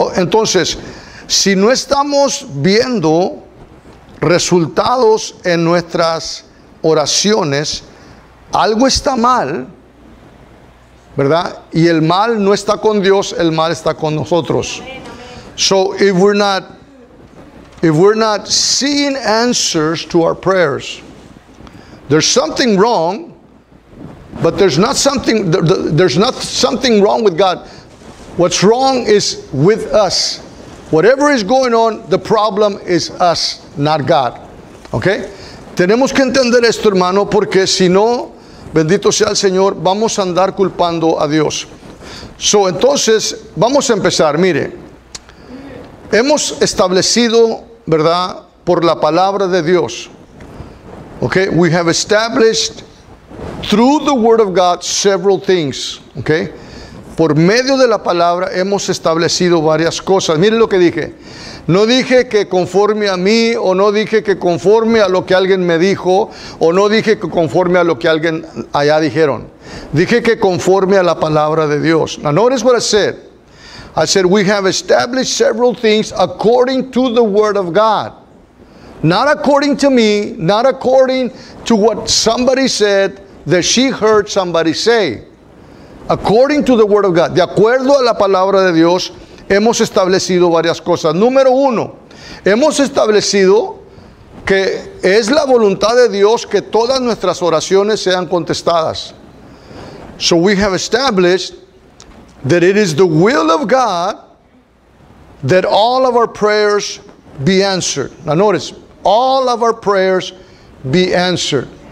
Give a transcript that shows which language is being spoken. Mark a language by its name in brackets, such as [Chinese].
[Spanish] Entonces, si no estamos viendo resultados en nuestras oraciones, algo está mal, ¿verdad? Y el mal no está con Dios, el mal está con nosotros. [English] So if we're not seeing answers to our prayers, there's something wrong. But there's not something wrong with God. What's wrong is with us. Whatever is going on, the problem is us, not God. [Spanish] Okay? Tenemos que entender esto, hermano, porque si no, bendito sea el Señor, vamos a andar culpando a Dios. So, entonces, vamos a empezar. Mire, hemos establecido, ¿verdad?, por la palabra de Dios. Okay? [English] We have established through the word of God several things. Okay? [Spanish] Por medio de la palabra hemos establecido varias cosas. Miren lo que dije. No dije que conforme a mí, o no dije que conforme a lo que alguien me dijo, o no dije que conforme a lo que alguien allá dijeron. Dije que conforme a la palabra de Dios. [English] Now notice what I said. I said we have established several things according to the word of God. Not according to me, not according to what somebody said, that she heard somebody say. According to the word of God, [Spanish] de acuerdo a la palabra de Dios, hemos establecido varias cosas. Número uno, hemos establecido que es la voluntad de Dios que todas nuestras oraciones sean contestadas. [English] So we have established that it is the will of God that all of our prayers be answered. Now notice, all of our prayers be answered.